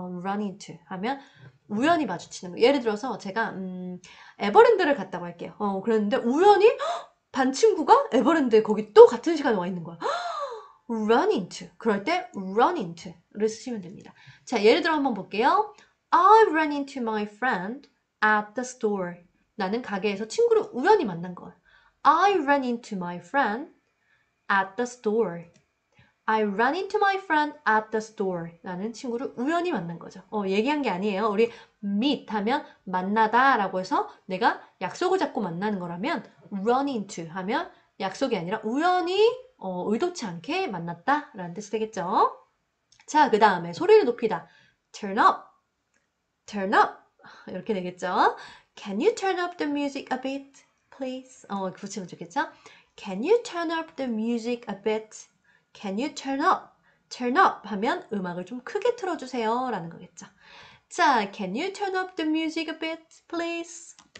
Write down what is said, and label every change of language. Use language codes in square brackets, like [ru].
[ko] run into 하면, 우연히 마주치는 거. 예를 들어서 제가 에버랜드를 갔다고 할게요. 그랬는데 우연히 반 친구가 에버랜드에 거기 또 같은 시간에 와 있는 거야. Run into. 그럴 때 run into를 쓰시면 됩니다. 자, 예를 들어 한번 볼게요. [en] I ran into my friend at the store. [ko] 나는 가게에서 친구를 우연히 만난 거야. [en] I ran into my friend at the store. I ran into my friend at the store. [ko] 나는 친구를 우연히 만난 거죠. 얘기한 게 아니에요. 우리 meet 하면 만나다라고 해서 내가 약속을 잡고 만나는 거라면 run into 하면 약속이 아니라 우연히 의도치 않게 만났다라는 뜻이 되겠죠. 자, 그 다음에 소리를 높이다. [en] Turn up. Turn up. [ko] 이렇게 되겠죠. [en] Can you turn up the music a bit, please? [ko] 이렇게 붙이면 좋겠죠. [en] Can you turn up the music a bit? Can you turn up? Turn up [ko] 하면 음악을 좀 크게 틀어주세요 라는 거겠죠. [en] 자, Can you turn up the music a bit, please?